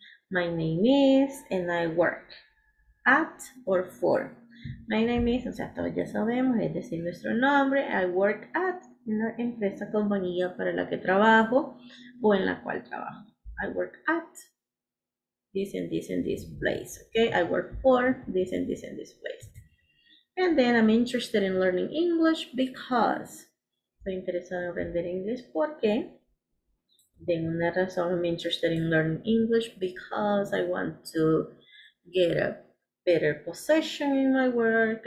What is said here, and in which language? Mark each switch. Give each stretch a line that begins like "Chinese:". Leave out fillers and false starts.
English: My name is and I work at or for. My name is,
Spanish: o sea, todos ya sabemos, es decir, nuestro nombre.
English: I work at,
Spanish: una empresa, compañía para la que trabajo o en la cual trabajo.
English: I work at this and this and this place. Okay, I work for this and this and this place. And then I'm interested in learning English because.
Spanish: Estoy interesado en aprender inglés porque. De una razón,
English: I'm interested in learning English because I want to get a better position in my work.